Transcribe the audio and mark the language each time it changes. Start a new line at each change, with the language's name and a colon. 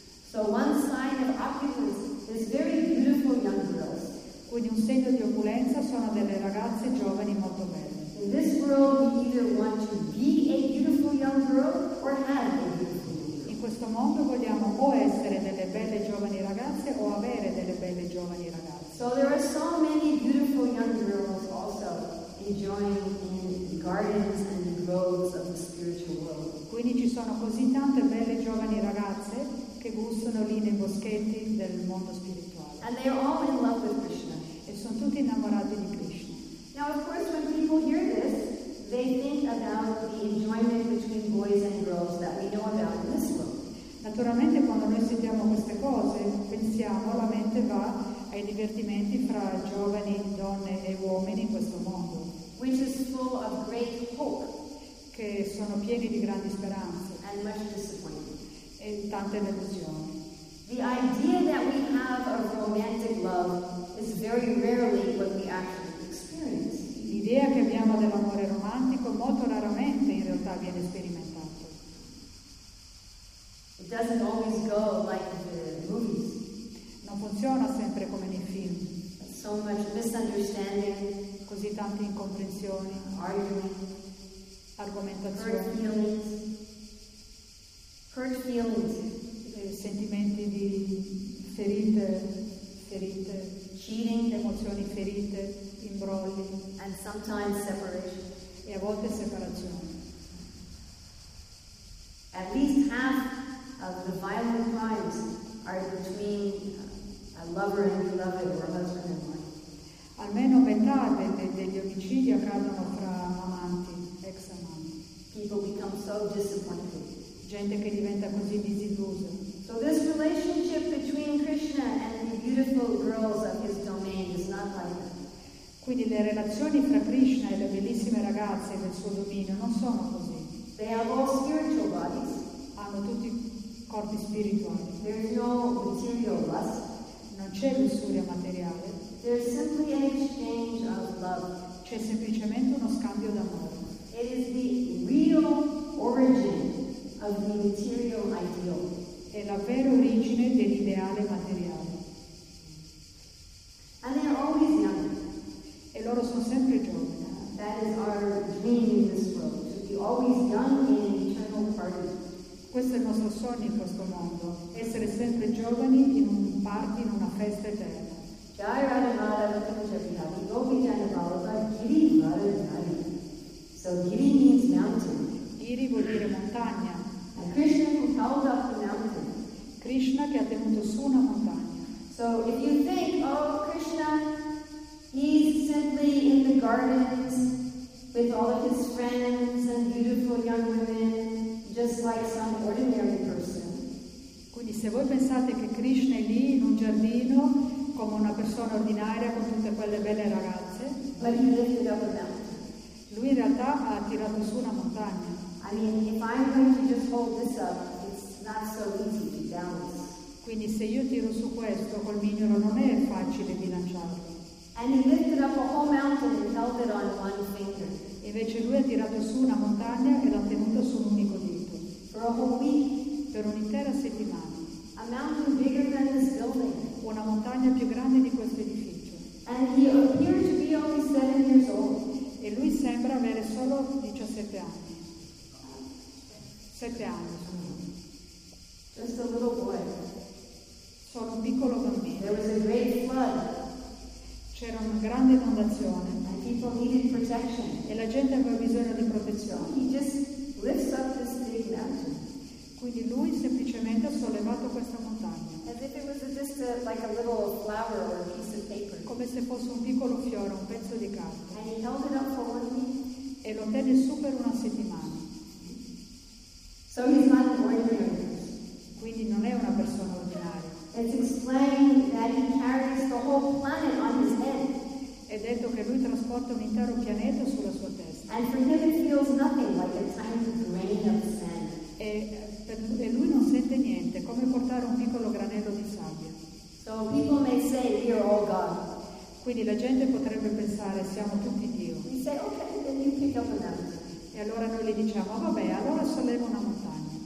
English: So one sign of opulence is very beautiful young girls.
Italian: Quindi un segno di opulenza sono delle ragazze giovani molto belle.
English: In this world, we either want to be a beautiful young girl or have a beautiful young girl.
Italian: In questo mondo vogliamo o essere delle belle giovani ragazze o avere delle belle giovani ragazze.
English: So there are so many beautiful young girls also enjoying in the gardens and the groves of the spiritual world.
Italian: Quindi ci sono così tante belle giovani ragazze che gustano lì nei boschetti del mondo spirituale.
English: And they are all in love with Krishna.
Italian: E sono tutti innamorati di Krishna.
English: Now, of course, when people hear this, they think about the enjoyment between boys and girls that we know about in this world.
Italian: Naturalmente, quando noi sentiamo queste cose, pensiamo, la mente va ai divertimenti fra giovani, donne e uomini in questo mondo.
English: Which is full of great hope.
Italian: Che sono pieni di grandi speranze.
English: And much disappointment.
Italian: E tante delusioni.
English: The idea that we have of romantic love is very rarely what we actually.
Italian: L'idea che abbiamo dell'amore romantico molto raramente in realtà viene sperimentato.
English: It doesn't always go like the movies.
Italian: Non funziona sempre come nei film.
English: So much misunderstanding,
Italian: così tante incomprensioni,
English: arguing,
Italian: argomentazioni,
English: hurt feelings,
Italian: sentimenti di ferite,
English: cheating,
Italian: emozioni ferite. Imbrogli,
English: and sometimes separation.
Italian: E a volte separazione.
English: At least half of the violent crimes are between a lover and beloved or a husband and wife.
Italian: Almeno metà degli omicidi accadono fra amanti, ex amanti.
English: People become so disappointed.
Italian: Gente che diventa così disillusa.
English: So this relationship between Krishna and the beautiful girls of his domain is not like that.
Italian: Quindi le relazioni fra Krishna e le bellissime ragazze del suo dominio non sono così.
English: They have all spiritual bodies.
Italian: Hanno tutti corpi spirituali.
English: There is no material lust.
Italian: Non c'è lussuria materiale.
English: There is simply an exchange of love.
Italian: C'è semplicemente uno scambio d'amore.
English: It is the real origin of the material ideal.
Italian: È la vera origine dell'ideale materiale.
English: And they are always young.
Italian: E loro sono sempre giovani.
English: That is our dream in this world, to be always young in an eternal party.
Italian: Questo è il nostro sogno in questo mondo, essere sempre giovani in un party, in una festa eterna.
Sanskrit: Jai Radha Madhava Kunjabihati, Gopi Janavallabha, Giri Radhanari.
English: So Giri means mountain.
Italian: Giri vuol dire montagna.
English: And Krishna who held up the mountain.
Italian: Krishna che ha tenuto su una montagna.
English: So if you think, oh Krishna, he's simply in the gardens with all of his friends and beautiful young women, just like some ordinary person.
Italian: Quindi se voi pensate che Krishna è lì in un giardino come una persona ordinaria con tutte quelle belle ragazze,
English: but he lifted up a mountain.
Italian: Lui in realtà ha tirato su una montagna.
English: I mean, if I'm going to just hold this up, it's not so easy to balance.
Italian: Quindi se io tiro su questo col mignolo non è facile bilanciarlo.
English: And he lifted up a whole mountain and held it on one finger.
Italian: Invece lui ha tirato su una montagna e l'ha tenuta su un unico dito.
English: For a whole week.
Italian: Per un'intera settimana.
English: A mountain bigger than this building.
Italian: Una montagna più grande di questo edificio.
English: And he appeared to be only 7 years old.
Italian: E lui sembra avere solo 17 anni. 7 anni.
English: Just a little boy.
Italian: Solo un piccolo bambino.
English: There was a great flood.
Italian: C'era una grande inondazione.
English: And people needed protection.
Italian: E la gente aveva bisogno di protezione.
English: He just lifts up this big mountain.
Italian: Quindi lui semplicemente ha sollevato questa montagna.
English: As if it was just a, like a little flower or a piece of paper.
Italian: Come se fosse un piccolo fiore, un pezzo di carta.
English: And he held it up for one week.
Italian: E lo tenne su per una settimana.
English: So he's not an ordinary.
Italian: Quindi non è una persona ordinaria.
English: It's explained that he carries the whole planet on his head.
Italian: È detto che lui trasporta un intero pianeta sulla sua testa.
English: And for him it feels nothing like a tiny grain of sand.
Italian: E lui non sente niente, come portare un piccolo granello di sabbia.
English: So people may say we are all God.
Italian: Quindi la gente potrebbe pensare siamo tutti Dio.
English: We say, okay, then you pick up a mountain.
Italian: E allora noi gli diciamo vabbè, allora sollevo una montagna.